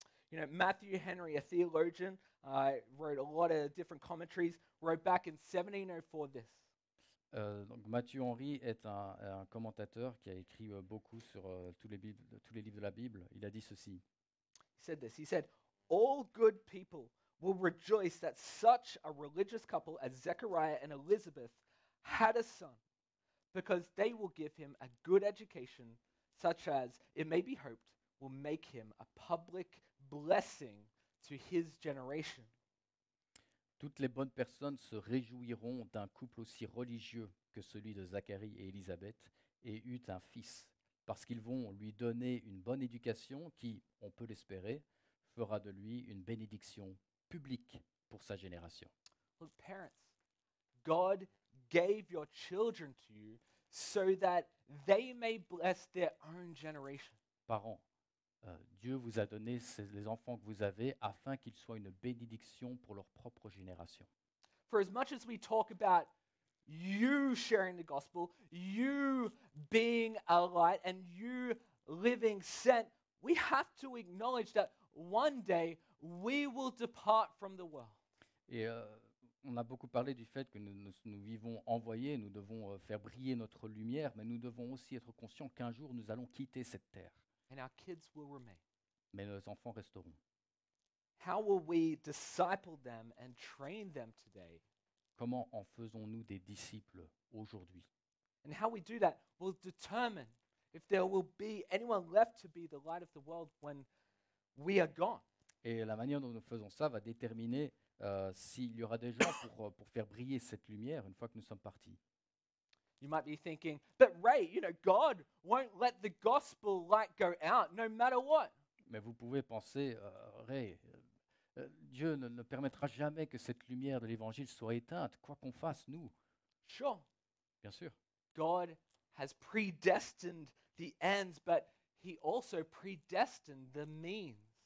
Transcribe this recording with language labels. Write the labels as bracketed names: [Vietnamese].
[English] You know, Matthew Henry, a theologian, wrote a lot of different commentaries, wrote back in 1704 this. [French] Donc Matthew Henry est un commentateur qui a écrit beaucoup sur tous les livres de la Bible. Il a dit ceci. [English] He said this. He said, "All good people will rejoice that such a religious couple as Zechariah and Elizabeth had a son, because they will give him a good education, such as it may be hoped will make him a public blessing to his generation." [French] Toutes les bonnes personnes se réjouiront d'un couple aussi religieux que celui de Zacharie et Élisabeth et eut un fils, parce qu'ils vont lui donner une bonne éducation qui, on peut l'espérer, fera de lui une bénédiction publique pour sa génération. [English] Look, parents, God gave your children to you so that they may bless their own generation. [French] Parents, Dieu vous a donné les enfants que vous avez afin qu'ils soient une bénédiction pour leur propre génération. [English] For as much as we talk about you sharing the gospel, you being a light and you living sent, we have to acknowledge that one day we will depart from the world. [French] Et on a beaucoup parlé du fait que nous vivons envoyés, nous devons faire briller notre lumière, mais nous devons aussi être conscients qu'un jour nous allons quitter cette terre. [English] And our kids will remain. [French] Mais nos enfants resteront. [English] How will we disciple them and train them today? [French] Comment en faisons-nous des disciples aujourd'hui? [English] And how we do that will determine if there will be anyone left to be the light of the world when we are gone. [French] Et la manière dont nous faisons ça va déterminer s'il y aura des gens pour faire briller cette lumière une fois que nous sommes partis. [English] You might be thinking, but Ray, you know, God won't let the gospel light go out, no matter what. [French] Mais vous pouvez penser, Ray, Dieu ne permettra jamais que cette lumière de l'évangile soit éteinte, quoi qu'on fasse, nous. [English] Sure. [French] Bien sûr. [English] God has predestined the ends, but he also predestined the means.